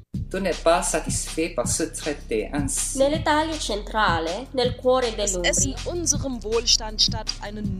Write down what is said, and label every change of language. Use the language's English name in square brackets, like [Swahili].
[French] Tu n'es pas satisfait par ce traité ainsi. [Italian] Nell'Italia centrale, nel cuore dell'Umbria. [German] Es ist in unserem Wohlstand statt einen